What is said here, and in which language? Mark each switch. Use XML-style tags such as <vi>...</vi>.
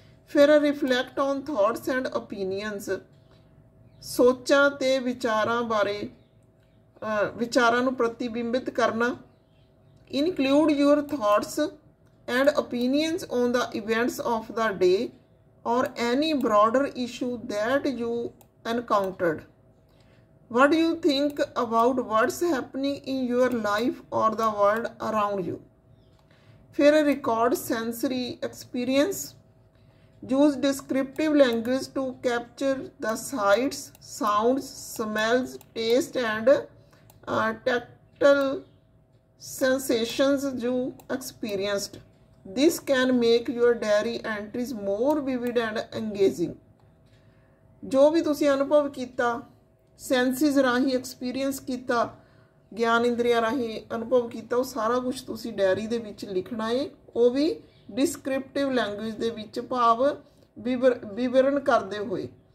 <pa>ਫਿਰ</pa> <en>reflect on thoughts and opinions,</en> <pa>ਸੋਚਾਂ ਅਤੇ ਵਿਚਾਰਾਂ ਬਾਰੇ, ਵਿਚਾਰਾਂ ਨੂੰ ਪ੍ਰਤੀਬਿੰਬਿਤ ਕਰਨਾ।</pa> <en>Include your thoughts and opinions on the events of the day or any broader issue that you encountered. What do you think about what's happening in your life or the world around you? Fir record sensory experience. Use descriptive language to capture the sights, sounds, smells, taste and tactile sensations you experienced. This can make your diary entries more vivid and engaging.</en> <pa>ਜੋ ਵੀ ਤੁਸੀਂ ਅਨੁਭਵ ਕੀਤਾ, ਸੈਂਸਿਸ ਰਾਹੀਂ experience ਕੀਤਾ, ਗਿਆਨ ਇੰਦਰੀਆਂ ਰਾਹੀਂ ਅਨੁਭਵ ਕੀਤਾ, ਉਹ ਸਾਰਾ ਕੁਝ ਤੁਸੀਂ ਡਾਇਰੀ ਦੇ ਵਿੱਚ ਲਿਖਣਾ ਹੈ, ਉਹ ਵੀ ਡਿਸਕ੍ਰਿਪਟਿਵ ਲੈਂਗੁਏਜ ਦੇ ਵਿੱਚ, ਭਾਵ ਵਿਵਰਣ ਕਰਦੇ ਹੋਏ।</pa>